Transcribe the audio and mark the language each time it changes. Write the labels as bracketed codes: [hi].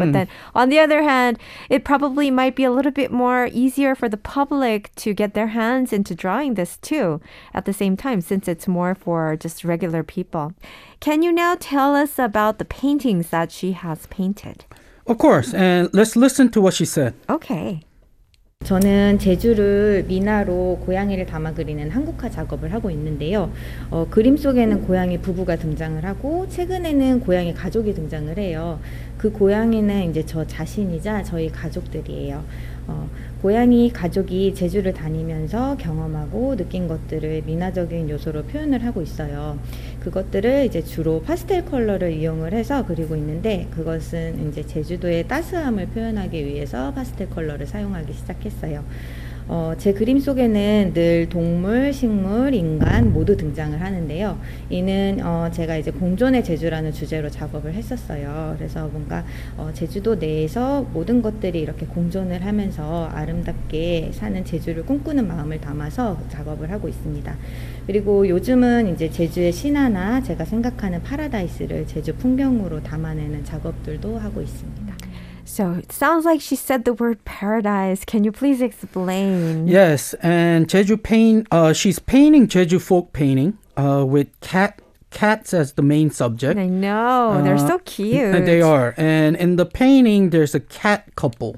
[en] Mm. But then on the other hand, it probably might be a little bit more easier for the public to get their hands into drawing this too at the same time, since it's more for just regular people. Can you now tell us about the paintings that she has painted? Of course. And let's listen to what she said. Okay. [ko] 저는 제주를 미나로 고양이를 담아 그리는 한국화 작업을 하고 있는데요. 그림 속에는 고양이 부부가 등장을 하고 최근에는 고양이 가족이 등장을 해요. 그 고양이는 이제 저 자신이자 저희 가족들이에요. 고양이 가족이 제주를 다니면서 경험하고 느낀 것들을 미나적인 요소로 표현을 하고 있어요. 그것들을 이제 주로 파스텔 컬러를 이용을 해서 그리고 있는데 그것은 이제 제주도의 따스함을 표현하기 위해서 파스텔 컬러를 사용하기 시작했어요. 제 그림 속에는 늘 동물, 식물, 인간 모두 등장을 하는데요. 이는 제가 이제 공존의 제주라는 주제로 작업을 했었어요. 그래서 뭔가 제주도 내에서 모든 것들이 이렇게 공존을 하면서 아름답게 사는 제주를 꿈꾸는 마음을 담아서 작업을 하고 있습니다. 그리고 요즘은 이제 제주의 신화나 제가 생각하는 파라다이스를 제주 풍경으로 담아내는 작업들도 하고 있습니다. [en] So it sounds like she said the word paradise. Can you please explain? Yes, and Jeju she's painting Jeju folk painting with cats as the main subject. I know, they're so cute. They are. And in the painting, there's a cat couple.